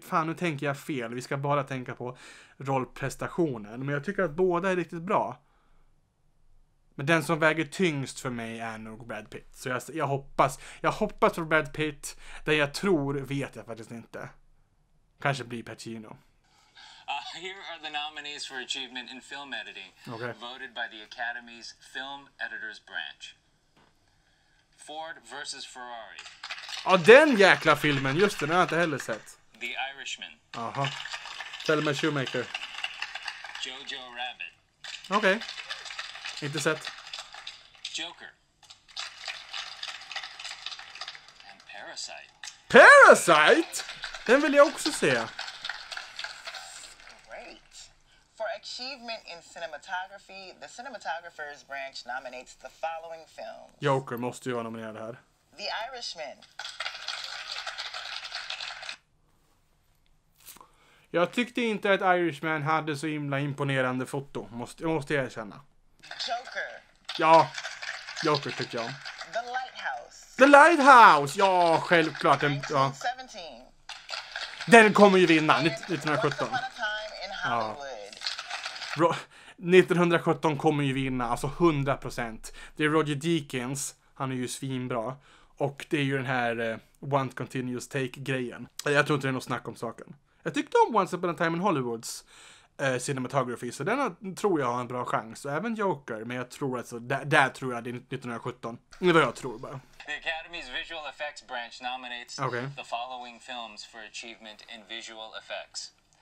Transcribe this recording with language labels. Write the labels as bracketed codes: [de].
[sv] Fan, nu tänker jag fel. Vi ska bara tänka på rollprestationen. Men jag tycker att båda är riktigt bra. Men den som väger tyngst för mig är nog Brad Pitt. Så jag hoppas på Brad Pitt. Det jag tror vet jag faktiskt inte. Kanske blir Pacino. [en] Here are the nominees for achievement in film editing. Okay. Voted by the Academy's Film Editors Branch. Ford vs. Ferrari. [sv] Ja, den jäkla filmen. Just den har jag inte heller sett. [en] The Irishman. [sv] Aha. Thelma Shoemaker. [en] Jojo Rabbit. [sv] Okej. Inte sett. [en] Joker. And Parasite. [sv] Parasite? Den vill jag också se. [en] Great. For achievement in cinematography, the cinematographers branch nominates the following films. [sv] Joker måste ju vara nominerad här. [en] The Irishman. [sv] Jag tyckte inte att Irishman hade så himla imponerande foto. Måste jag erkänna. [en] Joker. [sv] Ja, Joker tycker jag. [en] The Lighthouse. [sv] The Lighthouse, ja, självklart. Den, ja. [en] 1917. [sv] Den kommer ju vinna, 1917. Ja. 1917 kommer ju vinna, alltså 100%. Det är Roger Deakins, han är ju svinbra. Och det är ju den här One Continuous Take-grejen. Jag tror inte det är något snack om saken. Jag tyckte om Once Upon a Time in Hollywoods cinematography, så den tror jag har en bra chans. Och även Joker, men jag tror alltså där tror jag det är 1917. Det är vad jag tror bara. [en] The Academy's Visual Effects Branch nominates the following films for achievement in visual effects.